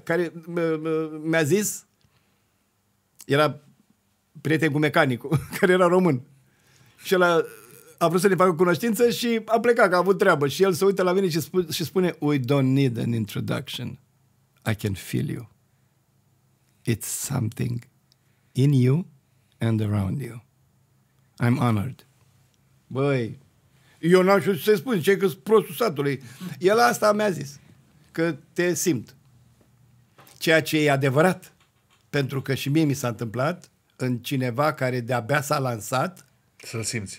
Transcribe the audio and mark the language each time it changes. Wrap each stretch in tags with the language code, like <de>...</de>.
<ro>Care mi-a zis, era prieten cu mecanicul, care era român. Și el a vrut să ne facă cunoștință și a plecat, că a avut treabă. Și el se uită la mine și, și spune,</ro> <en>we don't need an introduction. I can feel you. It's something in you and around you. I'm honored.</en> <ro>Băi, eu n-am știut să-i spun, ce că-s prostul satului. El asta mi-a zis, că te simt. Ceea ce e adevărat, pentru că și mie mi s-a întâmplat în cineva care de-abia s-a lansat să-l simți.</ro>